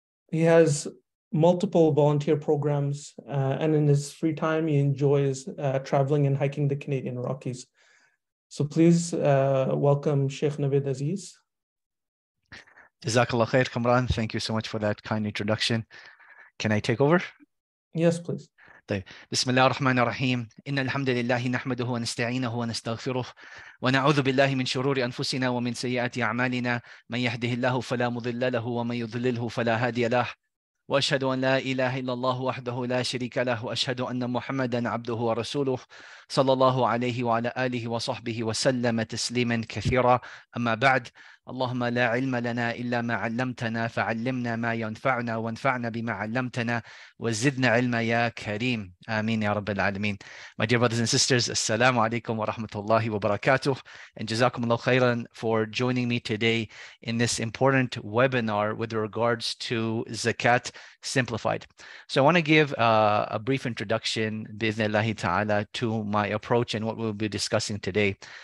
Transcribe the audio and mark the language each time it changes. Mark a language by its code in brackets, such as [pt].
[en] He has multiple volunteer programs, and in his free time, he enjoys traveling and hiking the Canadian Rockies. So please welcome Shaykh Navaid Aziz. Jazakallah khair, Kamran. Thank you so much for that kind introduction. Can I take over? Yes, please. [ar] بسم الله الرحمن الرحيم إن الحمد لله نحمده ونستعينه ونستغفره ونعوذ بالله من شرور أنفسنا ومن سيئات أعمالنا من يهده الله فلا مضل له ومن يضلله فلا هادي له وأشهد أن لا إله إلا الله وحده لا شريك له وأشهد أن محمدا عبده ورسوله صلى الله عليه وعلى آله وصحبه وسلم تسليما كثيرا أما بعد اللهم لا علم لنا إلا ما علمتنا فعلمنا ما ينفعنا وانفعنا بما علمتنا وزدنا علما يا كريم آمين يا رب العالمين. [en] My dear brothers and sisters, [ar] السلام عليكم ورحمة الله وبركاته [en] and [ar] جزاكم الله خيرا [en] for joining me today in this important webinar with regards to Zakat Simplified. So I want to give a brief introduction [ar] بإذن الله تعالى [en] to my approach and what we'll be discussing today.